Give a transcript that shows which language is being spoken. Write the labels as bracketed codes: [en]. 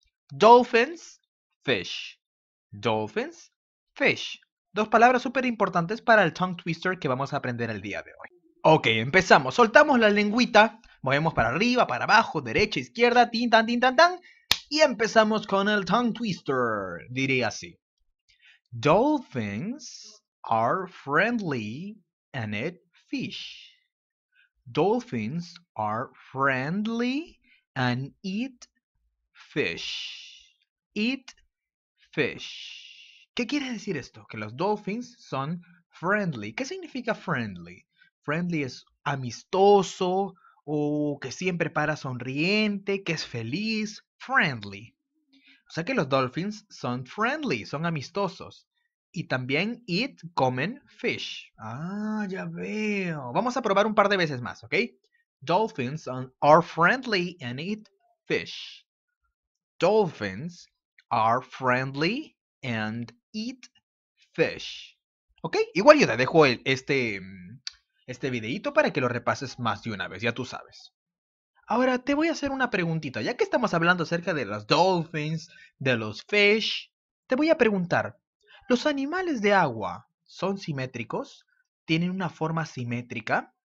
[en] Dolphins, fish. Dolphins, fish. [es] Dos palabras súper importantes para el tongue twister que vamos a aprender el día de hoy. Ok, empezamos. Soltamos la lengüita. Movemos para arriba, para abajo, derecha, izquierda, tin, tan, tin, tan, tan. Y empezamos con el tongue twister. Diría así. [en] Dolphins are friendly and eat fish. Dolphins are friendly and eat fish. Eat fish. [es] ¿Qué quiere decir esto? Que los dolphins son friendly. ¿Qué significa friendly? Friendly es amistoso o que siempre para sonriente, que es feliz. Friendly. O sea que los dolphins son friendly, son amistosos. Y también eat, comen fish. Ah, ya veo. Vamos a probar un par de veces más, ¿ok? [en] Dolphins are friendly and eat fish. Dolphins are friendly and eat fish. [es] ¿Ok? Igual yo te dejo este videito para que lo repases más de una vez, ya tú sabes. Ahora te voy a hacer una preguntita. Ya que estamos hablando acerca de los dolphins, de los fish, te voy a preguntar. ¿Los animales de agua son simétricos? ¿Tienen una forma simétrica?